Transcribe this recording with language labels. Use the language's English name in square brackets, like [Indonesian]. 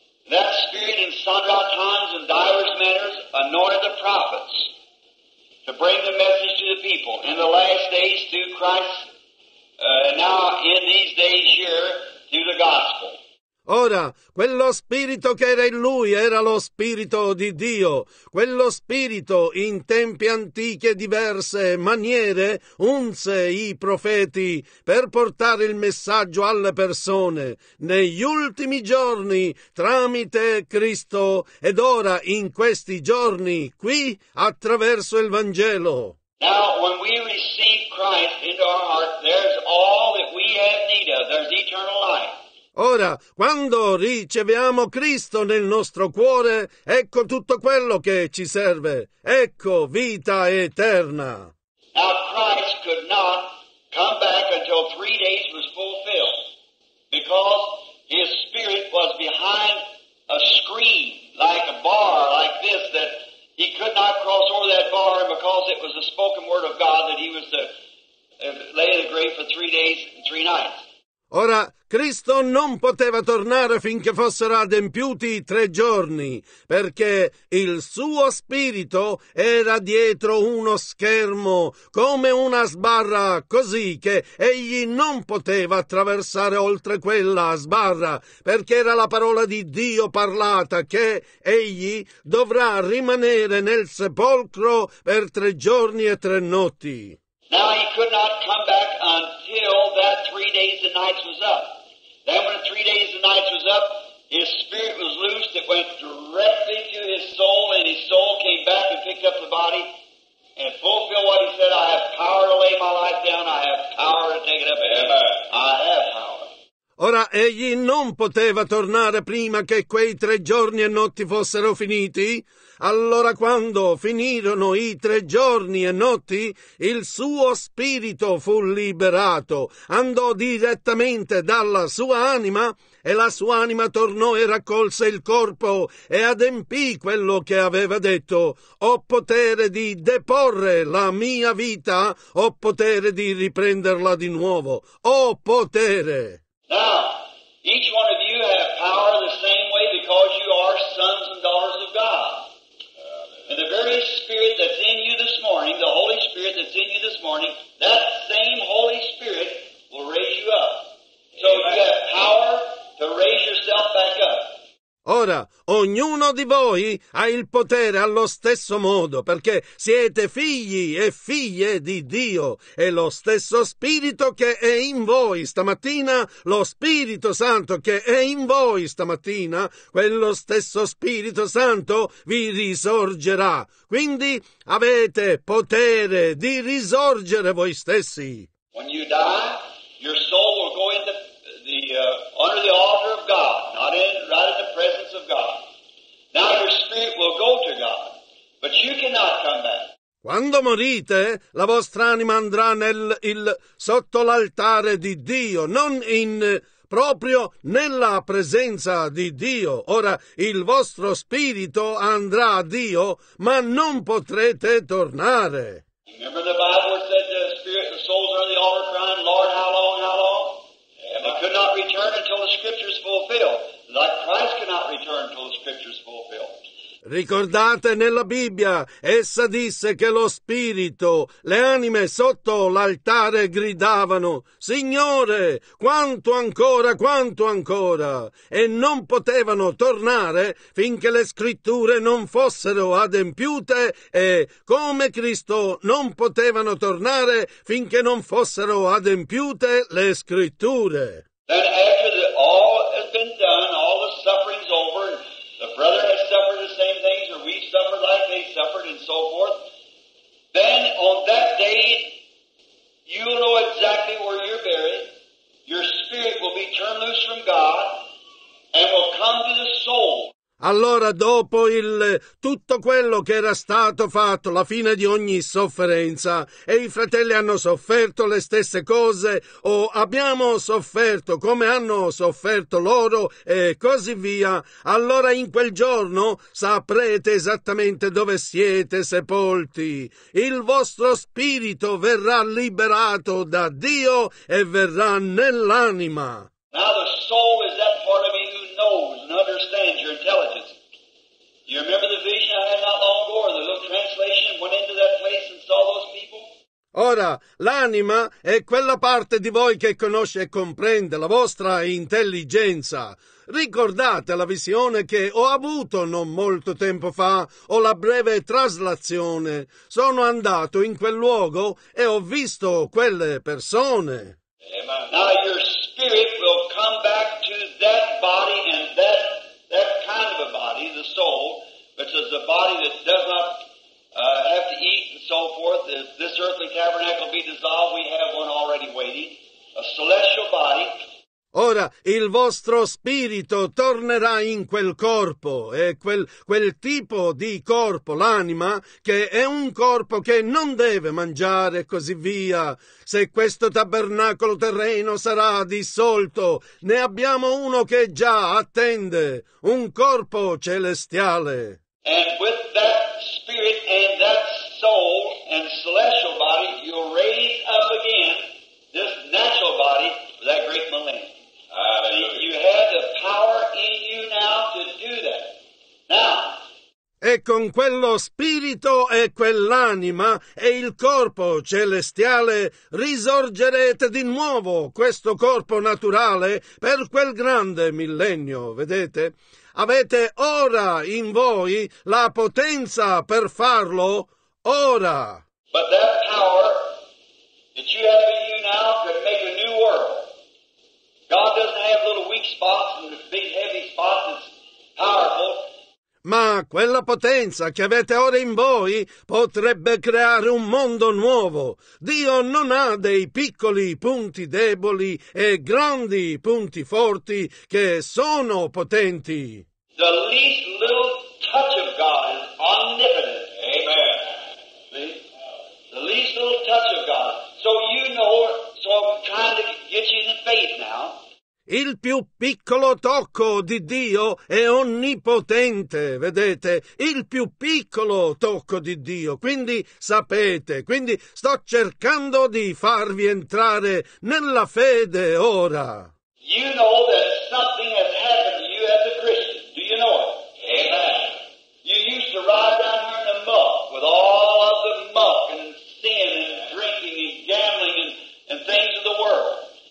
[English] That spirit in sundry times and divers manners anointed the prophets to bring the message to the people. In the last days through Christ, now in these days here, through the gospel. [Italian] Ora, quello spirito che era in lui era lo spirito di Dio. Quello spirito in tempi antichi e diverse maniere unse i profeti per portare il messaggio alle persone negli ultimi giorni tramite Cristo ed ora in questi giorni qui attraverso il Vangelo. [English] Now, when we receive Christ into our heart, there's all that we have need of. There's eternal life. [Italian] Ora, quando riceviamo Cristo nel nostro cuore, ecco tutto quello che ci serve. Ecco vita eterna. [English] Now Christ could not come back until 3 days was fulfilled, because his spirit was behind a screen, like a bar, like this, that he could not cross over that bar because it was the spoken word of God that he was to lay in the grave for 3 days and 3 nights. [Italian] Ora, Cristo non poteva tornare finché fossero adempiuti 3 giorni, perché il suo spirito era dietro uno schermo, come una sbarra, così che egli non poteva attraversare oltre quella sbarra, perché era la parola di Dio parlata, che egli dovrà rimanere nel sepolcro per 3 giorni e 3 notti. [English] Now he could not come back until that 3 days and nights was up. Then when the 3 days and nights was up, his spirit was loosed. It went directly to his soul, and his soul came back and picked up the body and fulfilled what he said, I have power to lay my life down. I have power to take it up ever. I have power. [Italian] Ora, egli non poteva tornare prima che quei 3 giorni e notti fossero finiti? Allora, quando finirono i 3 giorni e notti, il suo spirito fu liberato, andò direttamente dalla sua anima, e la sua anima tornò e raccolse il corpo e adempì quello che aveva detto: ho potere di deporre la mia vita, ho potere di riprenderla di nuovo, ho potere. [English] Now, each one of you have power the same way because you are sons and daughters of God. And the very Spirit that's in you this morning, the Holy Spirit that's in you this morning, that same Holy Spirit will raise you up. So you have power to raise yourself back up. [Italian] Ora, ognuno di voi ha il potere allo stesso modo, perché siete figli e figlie di Dio, e lo stesso Spirito che è in voi stamattina, lo Spirito Santo che è in voi stamattina, quello stesso Spirito Santo vi risorgerà. Quindi avete potere di risorgere voi stessi. [English] When you die, your soul will go into under the altar of God, right in the presence of God. Now your spirit will go to God, but you cannot come back. [Italian] Quando morite, la vostra anima andrà sotto l'altare di Dio, non in proprio nella presenza di Dio. Ora il vostro spirito andrà a Dio, ma non potrete tornare. [English] Remember the Bible said the spirit, the souls are on the altar crying, Lord, how long, how long? I could not return until the scriptures fulfilled. Like Christ cannot return until the scriptures fulfilled. [Italian] Ricordate nella Bibbia, essa disse che lo spirito, le anime sotto l'altare gridavano: Signore, quanto ancora, quanto ancora? E non potevano tornare finché le scritture non fossero adempiute, e come Cristo non potevano tornare finché non fossero adempiute le scritture. [English] And after the, all has been done, all the suffering's over, the brother has suffered the same things, or we've suffered like they suffered, and so forth, then on that day, you'll know exactly where you're buried, your spirit will be turned loose from God, and will come to the soul. [Italian] Allora, dopo tutto quello che era stato fatto, la fine di ogni sofferenza, e i fratelli hanno sofferto le stesse cose, o abbiamo sofferto come hanno sofferto loro, e così via, allora in quel giorno saprete esattamente dove siete sepolti. Il vostro spirito verrà liberato da Dio e verrà nell'anima. [English] Now the soul is that part of me who knows and understands your intelligence. You remember the vision I had not long ago, or the little translation went into that place and saw those people? [Italian] Ora, l'anima è quella parte di voi che conosce e comprende, la vostra intelligenza. Ricordate la visione che ho avuto non molto tempo fa, o la breve traslazione. Sono andato in quel luogo e ho visto quelle persone. [English] Spirit will come back to that body and that kind of a body, the soul, which is the body that does not have to eat and so forth. This earthly tabernacle will be dissolved. We have one already waiting, a celestial body. [Italian] Ora, il vostro spirito tornerà in quel corpo, e quel tipo di corpo, l'anima, che è un corpo che non deve mangiare e così via. Se questo tabernacolo terreno sarà dissolto, ne abbiamo uno che già attende, un corpo celestiale. [English] And with that spirit and that soul and celestial body, you'll raise up again this natural body for that great millennium. You have the power in you now to do that. Now. [Italian] E con quello spirito e quell'anima e il corpo celestiale risorgerete di nuovo questo corpo naturale per quel grande millennio, vedete? Avete ora in voi la potenza per farlo, ora. [English] But that power that you have in you now could make a new world. God doesn't have little weak spots and big heavy spots. It's powerful. [Italian] Ma quella potenza che avete ora in voi potrebbe creare un mondo nuovo. Dio non ha dei piccoli punti deboli e grandi punti forti che sono potenti. [English] The least little touch of God is omnipotent. Amen. The least little touch of God. So you know, so I'm trying to get you in the faith now. [Italian] Il più piccolo tocco di Dio è onnipotente, vedete? Il più piccolo tocco di Dio, quindi sapete, quindi sto cercando di farvi entrare nella fede ora. [English] You know that something has happened to you as a Christian, do you know it? Amen. You used to ride down here in the muck with all of the muck and sin and drinking and gambling and things of the world.